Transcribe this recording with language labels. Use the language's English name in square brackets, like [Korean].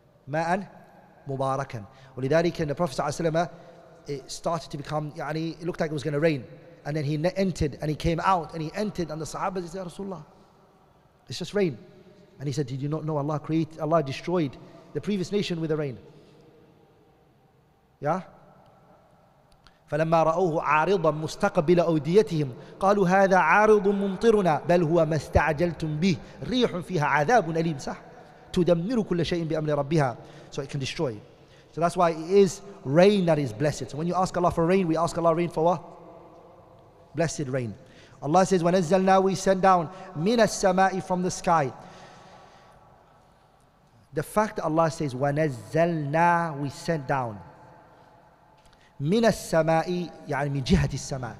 [English] Ma'an mubarakan. ولذلك, the Prophet ﷺ, it started to become, يعني, it looked like it was going to rain. And then he entered and he came out and he entered and the Sahaba said, Ya Rasulullah, it's just rain. And he said, did you not know Allah created, Allah destroyed the previous nation with the rain? Yeah? [Arabic] فلما رأوه عارضا مستقبل أوديتهم قالوا هذا عارض ممطرنا بل هو ما استعجلتم به ريح فيها عذاب أليم صح تدمر كل شيء بأمر ربها. [English] So it can destroy. So that's why it is rain that is blessed. So when you ask Allah for rain, we ask Allah rain for what? Blessed rain. Allah says, ونزلنا, we send down من السماء, from the sky. The fact that Allah says ونزلنا, we send down مِنَ السَّمَاءِ يَعْنِ مِنْ جِهَةِ السَّمَاءِ.